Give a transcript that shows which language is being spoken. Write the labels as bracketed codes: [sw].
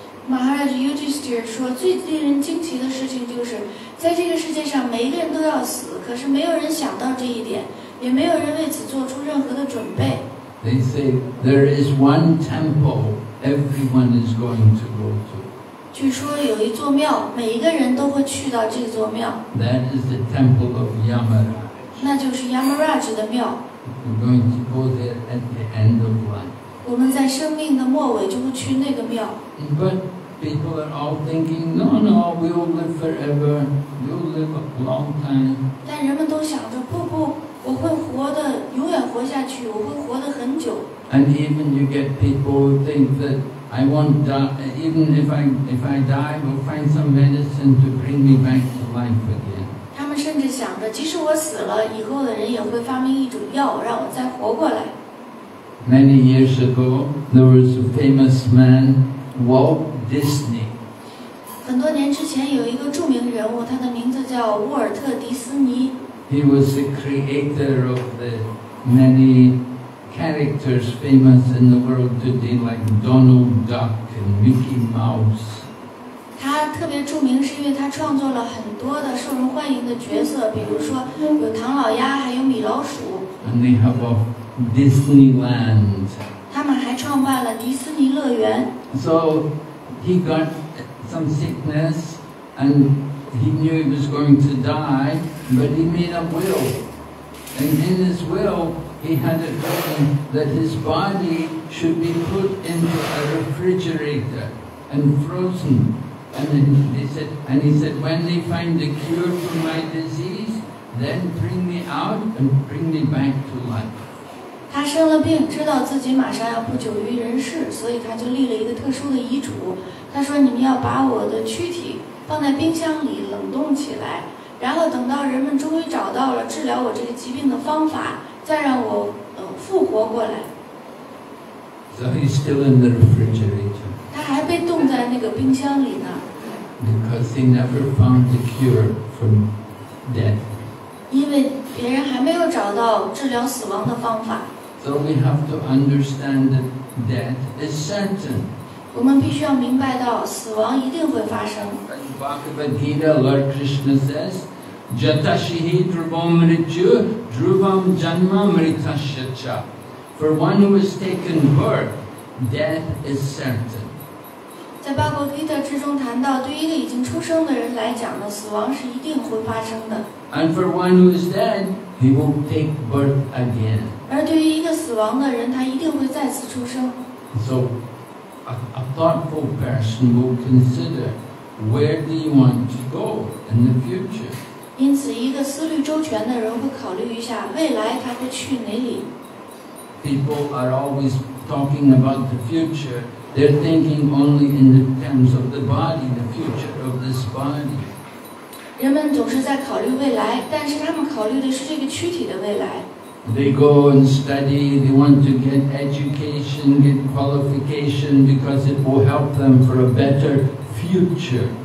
[zh] Maharaj Yudhisthira 说最令人惊奇的事情就是在这个世界上每一个人都要死，可是没有人想到这一点，也没有人为此做出任何的准备。 [en] They say there is one temple everyone is going to go to. [zh] 据说有一座庙，每一个人都会去到这座庙。 [en] That is the temple of Yamaraj. [zh] 那就是 Yamaraj 的庙。 [en] We're going to go there at the end of life. [zh] 我们在生命的末尾就会去那个庙。 [en] But people are all thinking, no, no, we'll live forever, we'll live a long time. [zh] 但人们都想着，不不，我会活得永远活下去，我会活得很久。 [en] And even you get people who think that I won't die, even if I die, we'll find some medicine to bring me back to life again. [zh] 他们甚至想着，即使我死了，以后的人也会发明一种药，让我再活过来。 [en] Many years ago, there was a famous man, Walt Disney. [zh] 很多年之前有一个著名人物，他的名字叫沃尔特·迪斯尼。 [en] He was the creator of the many characters famous in the world today, like Donald Duck and Mickey Mouse. [zh] 他特别著名是因为他创作了很多的受人欢迎的角色，比如说有唐老鸭，还有米老鼠。 [en] And they have aDisneyland. [zh] 他们还创办了迪士尼乐园。 [en] So he got some sickness, and he knew he was going to die. But he made a will, and in his will, he had it written that his body should be put into a refrigerator and frozen. And then he said, when they find the cure for my disease, then bring me out and bring me back to life. [zh] 他生了病，知道自己马上要不久于人世，所以他就立了一个特殊的遗嘱。他说：“你们要把我的躯体放在冰箱里冷冻起来，然后等到人们终于找到了治疗我这个疾病的方法，再让我复活过来。” [en] So he's still in the refrigerator. [zh] 他还被冻在那个冰箱里呢。 [en] Because he never found the cure from death. [zh] 因为别人还没有找到治疗死亡的方法。 [en] So we have to understand that death is certain. [zh] 我们必须要明白到死亡一定会发生。 [en] Bhagavad Gita, Lord Krishna says, [sa] Jatashihi dhruvamritju dhruvam janma mritashyacha. [en] For one who has taken birth, death is certain. [zh] 在 Bhagavad Gita 之中谈到，对一个已经出生的人来讲呢，死亡是一定会发生的。 [en] And for one who is dead, he won't take birth again. [zh] 而对于一个死亡的人，他一定会再次出生。 [en] So, a thoughtful person will consider where do you want to go in the future. [zh] 因此，一个思虑周全的人会考虑一下未来他会去哪里。 [en] People are always talking about the future, They're thinking only in the terms of the body, the future of this body. [zh] 人们总是在考虑未来，但是他们考虑的是这个躯体的未来。 [en] They go and study, they want to get education, get qualification, because it will help them for a better future.